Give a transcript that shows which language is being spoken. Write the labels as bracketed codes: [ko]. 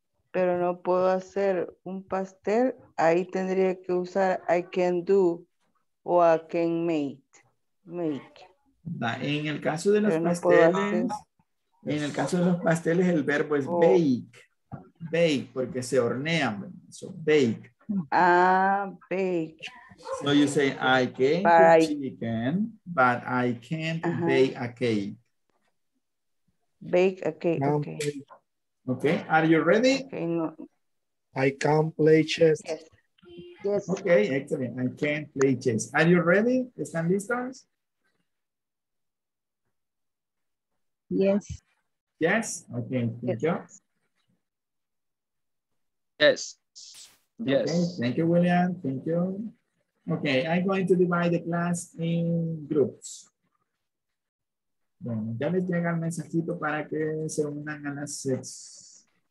[es] pero no puedo hacer un pastel, ahí tendría que usar [en] I can do [es] o [en] I can make. [es] En el caso de los pasteles, el verbo es bake, porque se hornean, so bake. [en] Ah, bake. So you say, I can cook chicken, but I can't bake a cake. Bake a cake, okay. Okay, are you ready? Okay, no. I can't play chess. Yes. Okay, excellent. I can't play chess. Are you ready? [es] ¿Están listos? [en] Yes. Yes? Okay, thank you. Yes. Yes. Okay, thank you, William. Thank you. Okay, I'm going to divide the class in groups. [es] Bueno, ya les llega el mensajito para que se unan a las six.